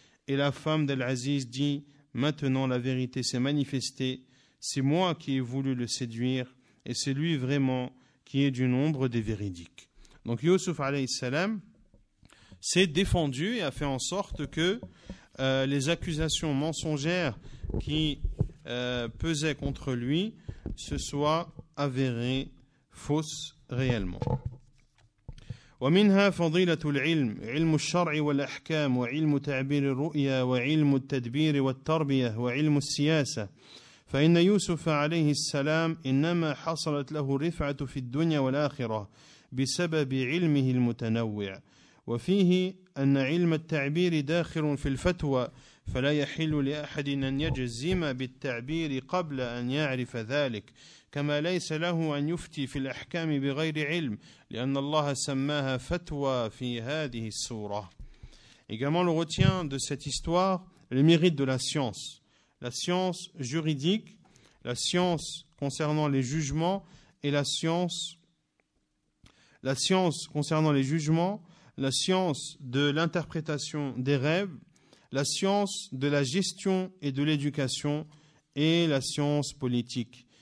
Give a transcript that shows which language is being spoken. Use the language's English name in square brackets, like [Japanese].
[French] Et la femme d'Al-Aziz dit, maintenant la vérité s'est manifestée, c'est moi qui ai voulu le séduire, et c'est lui vraiment qui est du nombre des véridiques. Donc Yusuf alayhi salam s'est défendu et a fait en sorte que les accusations mensongères qui pesait contre lui se soit avéré fausse réellement. [Arabic] ومنها فضيلة العلم علم الشرع والأحكام وعلم تعبير الرؤيا وعلم التدبير والتربية وعلم السياسة فإن يوسف عليه السلام إنما حصلت له رفعة في الدنيا والآخرة بسبب علمه المتنوع وفيه أن علم التعبير داخل في الفتوى فلا يحل لأحد أن يجزم بالتعبير قبل أن يعرف ذلك كما ليس له أن يفتي في الأحكام بغير علم لأن الله سماها فتوى في هذه السورة. [French] Également, on retient de cette histoire le mérite de la science juridique, la science concernant les jugements et la science concernant les jugements, la science de l'interprétation des rêves, la science de la gestion et de l'éducation et la science politique.